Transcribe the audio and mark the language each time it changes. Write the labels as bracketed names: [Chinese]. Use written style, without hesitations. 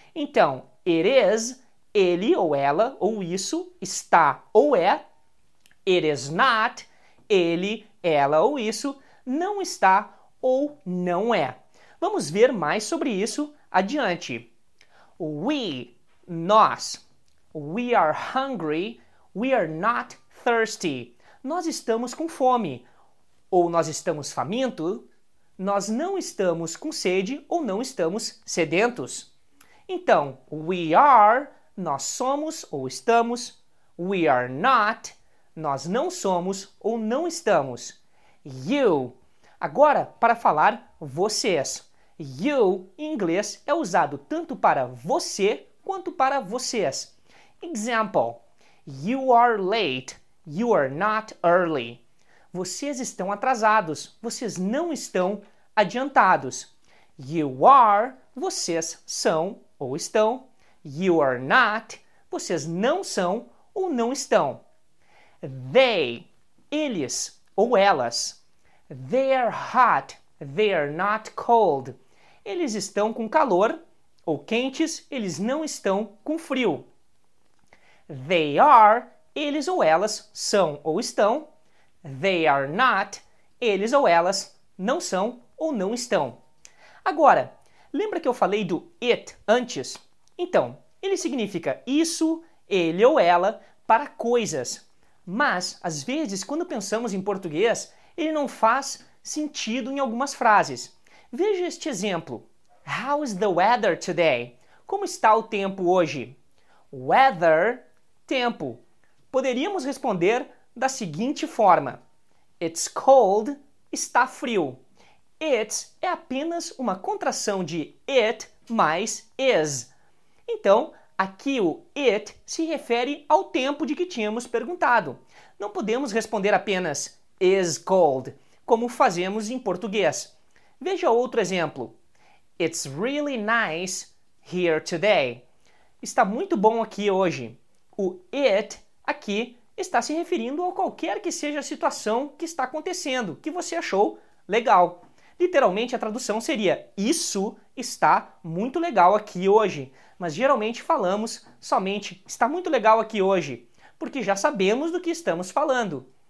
[Portuguese] Então, [English] it is, [Portuguese] ele ou ela ou isso, está ou é. [English] It is not, [Portuguese] ele, ela ou isso, não está ou não é. Vamos ver mais sobre isso adiante. [English] We, nós. We are hungry, we are not thirsty. [Portuguese] Nós estamos com fome. Ou nós estamos famintos. Nós não estamos com sede ou não estamos sedentos. Então, [English] we are, [Portuguese] nós somos ou estamos. [English] We are not, [Portuguese] nós não somos ou não estamos. You, agora para falar vocês. You, em inglês, é usado tanto para você quanto para vocês. [English] Example, you are late, you are not early. [Portuguese] Vocês estão atrasados, vocês não estão adiantados. [English] You are, [Portuguese] vocês são ou estão. [English] You are not, [Portuguese] vocês não são ou não estão. They, eles ou elas. [English] They're hot, they're not cold. [Portuguese] Eles estão com calor ou quentes, eles não estão com frio. [English] They are, [Portuguese] eles ou elas são ou estão. [English] They are not, [Portuguese] eles ou elas não são ou não estão. Agora, lembra que eu falei do it antes? Então, ele significa isso, ele ou ela, para coisas. Mas, às vezes, quando pensamos em português, ele não faz sentido em algumas frases. Veja este exemplo. [English] How is the weather today? [Portuguese] Como está o tempo hoje? Weather, tempo. Poderíamos responder da seguinte forma. [English] It's cold, [Portuguese] está frio. It's é apenas uma contração de it mais is. Então, aqui o it se refere ao tempo de que tínhamos perguntado. Não podemos responder apenas [English] is cold, [Portuguese] como fazemos em português. Veja outro exemplo. [English] It's really nice here today. [Portuguese] Está muito bom aqui hoje. O it aqui está se referindo a qualquer que seja a situação que está acontecendo, que você achou legal. Literalmente, a tradução seria isso está muito legal aqui hoje. Mas geralmente falamos somente está muito legal aqui hoje, porque já sabemos do que estamos falando.